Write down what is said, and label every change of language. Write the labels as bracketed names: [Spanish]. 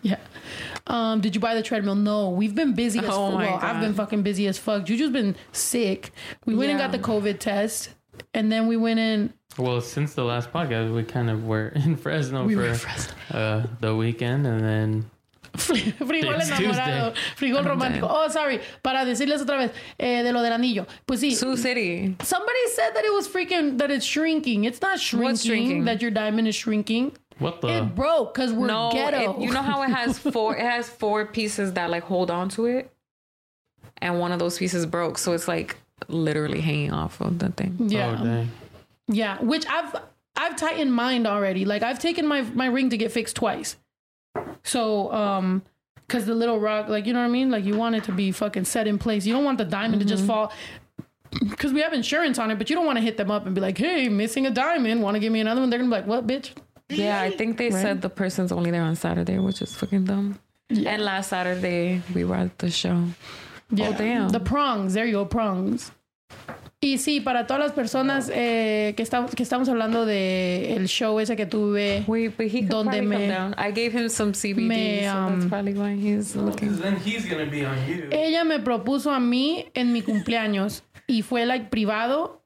[English] Yeah. Did you buy the treadmill? No, we've been busy as fuck. Well, I've been fucking busy as fuck. Juju's been sick. We went and got the COVID test, and then we went in. Well, since the last podcast, we kind of were in Fresno the weekend, and then. [Spanish] Frijol enamorado, frijol romántico. Oh, sorry. Para decirles otra vez, de lo del anillo. Pues sí. [English] Sioux City. Somebody said that it was freaking, that it's shrinking. It's not shrinking. What's shrinking? That your diamond is shrinking. What the? It broke because we're ghetto. You know how it has four? It has four pieces that like hold on to it, and one of those pieces broke, so it's like literally hanging off of the thing. Yeah. Oh, dang. Yeah. Which I've tightened mine already. Like I've taken my ring to get fixed twice. So, because the little rock, like, you know what I mean? Like, you want it to be fucking set in place. You don't want the diamond to just fall. Because we have insurance on it, but you don't want to hit them up and be like, hey, missing a diamond. Want to give me another one? They're going to be like, what, bitch? Yeah, I think they said the person's only there on Saturday, which is fucking dumb. Yeah. And last Saturday, we were at the show. Yeah. Oh, damn. The prongs. There you go, prongs. [Spanish] Y sí, para todas las personas que estamos hablando de el show ese que tuve. [English] Wait, but he could probably come down. I gave him some CBD, so that's probably why he's looking. Then he's going to be on you. [Spanish] Ella me propuso a mí en mi cumpleaños. Y fue, like, privado.